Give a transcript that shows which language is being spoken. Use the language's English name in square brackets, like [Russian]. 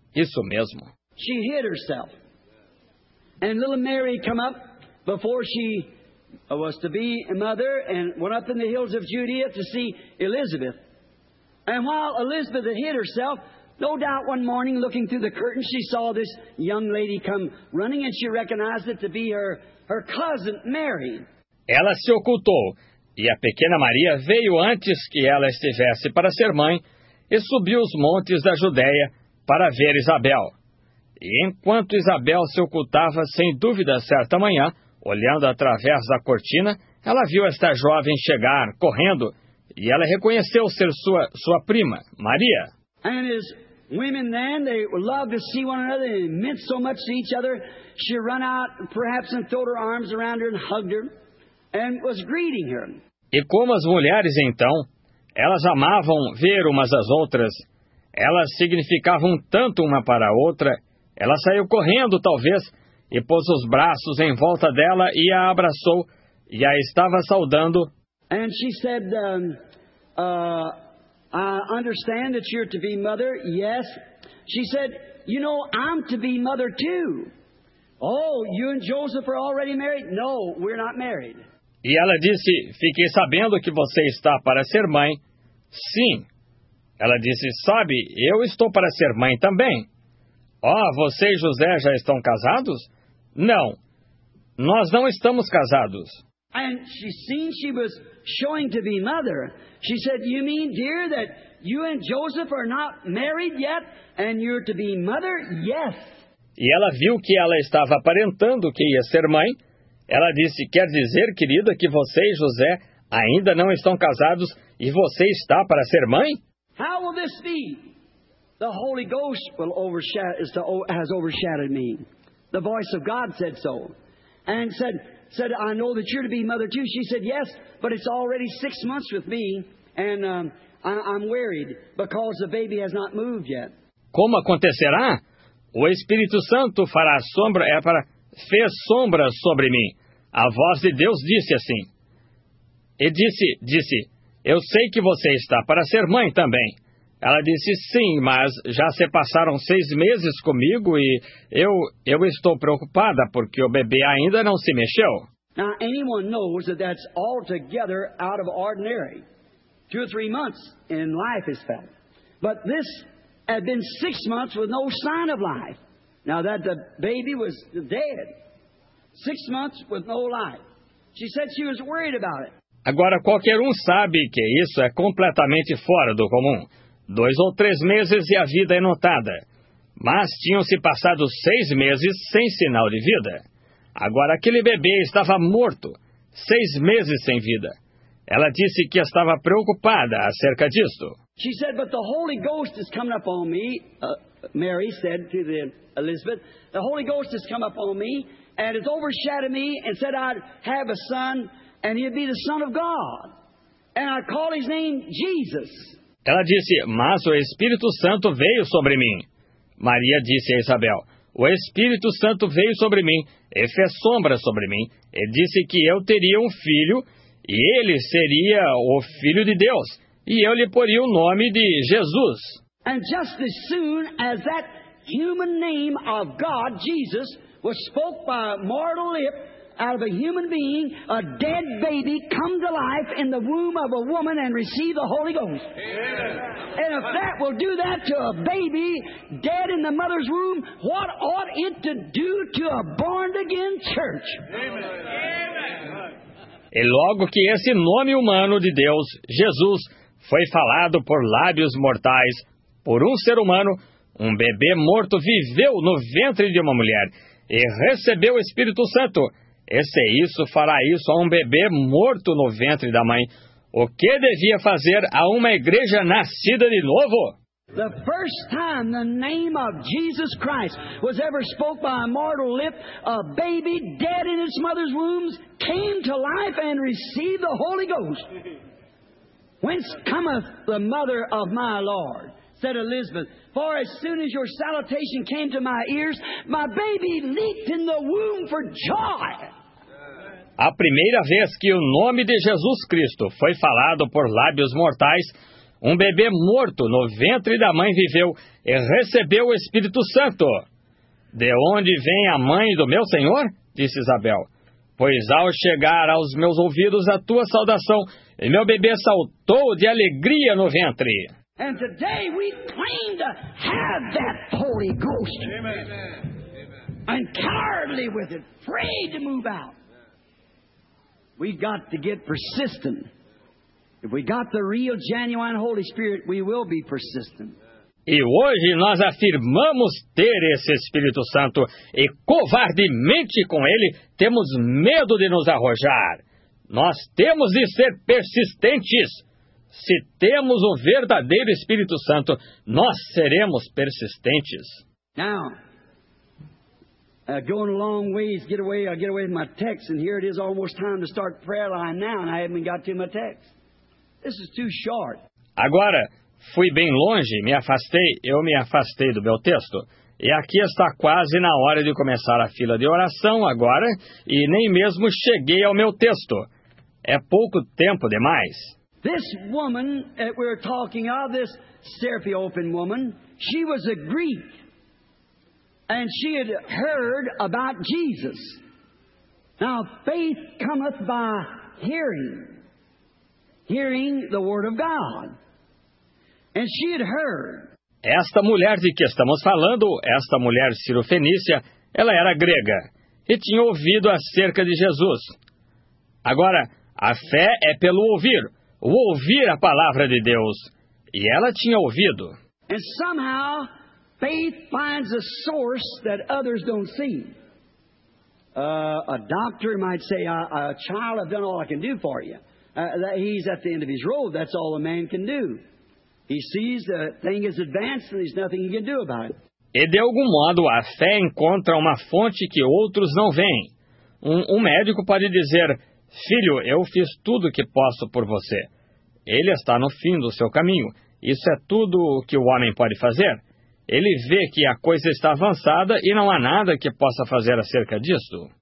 [Portuguese] Isso mesmo. [English] She hid herself. And little Mary come up before she was to be a mother and went up in the hills of Judea to see Elizabeth. And while Elizabeth had hid herself, no doubt one morning looking through the curtain, she saw this young lady come running and she recognized it to be her cousin Mary. [Portuguese] Ela se ocultou e a pequena Maria veio antes que ela estivesse para ser mãe e subiu os montes da Judéia para ver Isabel. E enquanto Isabel se ocultava, sem dúvida, certa manhã, olhando através da cortina, ela viu esta jovem chegar, correndo, e ela reconheceu ser sua prima, Maria. [English] And as women then, they loved to see one another, and meant so much to each other, she ran out, perhaps, and threw her arms around her and hugged her, and was greeting her. [Portuguese] E como as mulheres, então, elas amavam ver umas às outras, elas significavam tanto uma para a outra. Ela saiu correndo, talvez, e pôs os braços em volta dela e a abraçou, e a estava saudando. [English] And she said, I understand that you're to be mother, yes. She said, you know, I'm to be mother too. Oh, you and Joseph are already married? No, we're not married. [Portuguese] E ela disse, fiquei sabendo que você está para ser mãe. Sim. Ela disse, sabe, eu estou para ser mãe também. Oh, você e José já estão casados? Não, nós não estamos casados. [English] And she seen she was showing to be mother. She said, you mean, dear, that you and Joseph are not married yet and you're to be mother? Yes. [Portuguese] E ela viu que ela estava aparentando que ia ser mãe. Ela disse, quer dizer, querida, que você e José ainda não estão casados e você está para ser mãe? [English] How will this be? The Holy Ghost has overshadowed me. The voice of God said so. And said, I know that you're to be mother too. She said, yes, but it's already 6 months with me. And I'm worried because the baby has not moved yet. [Portuguese] Como acontecerá? O Espírito Santo fará sombra, fez sombra sobre mim. A voz de Deus disse assim. E disse, eu sei que você está para ser mãe também. Ela disse, sim, mas já se passaram 6 meses comigo e eu estou preocupada porque o bebê ainda não se mexeu. [English] Now, anyone knows that that's altogether out of ordinary. 2 or 3 months in life is felt. But this had been 6 months with no sign of life. Now that the baby was dead. 6 months with no life. She said she was worried about it. [Portuguese] Agora, qualquer um sabe que isso é completamente fora do comum. 2 ou 3 meses e a vida é notada. Mas tinham-se passado 6 meses sem sinal de vida. Agora aquele bebê estava morto, 6 meses sem vida. Ela disse que estava preocupada acerca disto. [English] She said, but the Holy Ghost has come upon me, Mary said to the Elizabeth, the Holy Ghost has come upon me and has overshadowed me and said I'd have a son and he'd be the son of God. And I call his name Jesus. [Portuguese] Ela disse, mas o Espírito Santo veio sobre mim. Maria disse a Isabel, o Espírito Santo veio sobre mim e fez sombra sobre mim e disse que eu teria um filho e ele seria o Filho de Deus e eu lhe poria o nome de Jesus. [English] And just as soon as that human name of God, Jesus, was spoke by mortal lip out of a human being, a dead baby, come to life in the womb of a woman and receive the Holy Ghost. Amen. And if that will do that to a baby dead in the mother's womb, what ought it to do to a born-again church? Amen. [Portuguese] E logo que esse nome humano de Deus, Jesus, foi falado por lábios mortais, por um ser humano, um bebê morto viveu no ventre de uma mulher e recebeu o Espírito Santo. Esse isso fará isso a um bebê morto no ventre da mãe. O que devia fazer a uma igreja nascida de novo? [English] The first time the name of Jesus Christ was ever spoke by a mortal lip, a baby dead in its mother's womb came to life and received the Holy Ghost. Whence cometh the mother of my Lord? Said Elizabeth, for as soon as your salutation came to my ears, my baby leaped in the womb for joy. [Portuguese] A primeira vez que o nome de Jesus Cristo foi falado por lábios mortais, um bebê morto no ventre da mãe viveu e recebeu o Espírito Santo. De onde vem a mãe do meu Senhor? Disse Isabel. Pois ao chegar aos meus ouvidos a tua saudação, e meu bebê saltou de alegria no ventre. [English] And today we claim to have that Holy Ghost. Amen. Amen. And cowardly with it, afraid to move out. We got to get persistent. If we got the real, genuine Holy Spirit, we will be persistent. [Portuguese] E hoje nós afirmamos ter esse Espírito Santo, e covardemente com ele, temos medo de nos arrojar. Nós temos de ser persistentes. Se temos o verdadeiro Espírito Santo, nós seremos persistentes. [English] Now, going a long ways, I'll get away from my text, and here it is almost time to start prayer line now, and I haven't got to my text. This is too short. [Portuguese] Agora, fui bem longe, eu me afastei do meu texto. E aqui está quase na hora de começar a fila de oração agora, e nem mesmo cheguei ao meu texto. É pouco tempo demais. [English] This woman that we're talking of, this Serapeopan woman, she was a Greek, and she had heard about Jesus. Now, faith cometh by hearing the Word of God, and she had heard. [Portuguese] Esta mulher de que estamos falando, esta mulher sirofenícia, ela era grega, e tinha ouvido acerca de Jesus. Agora, a fé é pelo ouvir. O ouvir a palavra de Deus. E ela tinha ouvido. [English] And somehow, faith finds a source that others don't see. A doctor might say, a child, I've done all I can do for you. That he's at the end of his road. That's all a man can do. He sees the thing is advanced and there's nothing he can do about it. [Portuguese] E de algum modo, a fé encontra uma fonte que outros não veem. Um médico pode dizer... Filho, eu fiz tudo o que posso por você. Ele está no fim do seu caminho. Isso é tudo o que o homem pode fazer. Ele vê que a coisa está avançada e não há nada que possa fazer acerca disso.